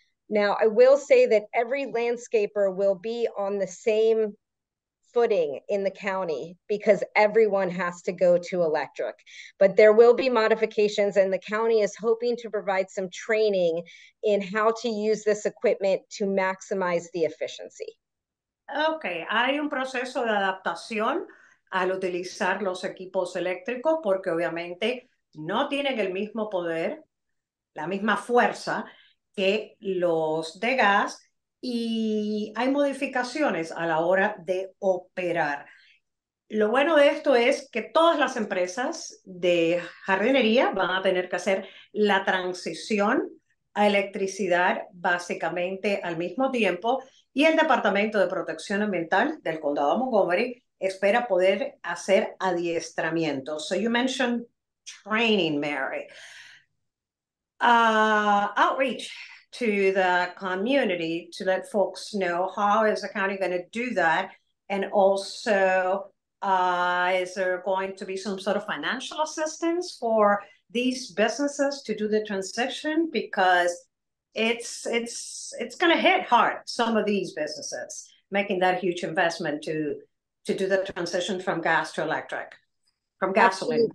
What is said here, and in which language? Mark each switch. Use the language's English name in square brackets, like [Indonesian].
[English] Now, I will say that every landscaper will be on the same footing in the county because everyone has to go to electric. But there will be modifications, and the county is hoping to provide some training in how to use this equipment to maximize the efficiency. [Spanish] Okay, hay un proceso de adaptación al utilizar los equipos eléctricos porque obviamente no tienen el mismo poder, la misma fuerza que los de gas. Y hay modificaciones a la hora de operar. Lo bueno de esto es que todas las empresas de jardinería van a tener que hacer la transición a electricidad básicamente al mismo tiempo. Y el Departamento de Protección Ambiental del Condado de Montgomery espera poder hacer adiestramiento. [English] So you mentioned training, Mary. Outreach to the community to let folks know how is the county going to do that, and also is there going to be some sort of financial assistance for these businesses to do the transition, because it's going to hit hard some of these businesses making that huge investment to do the transition from gas to electric, from gasoline.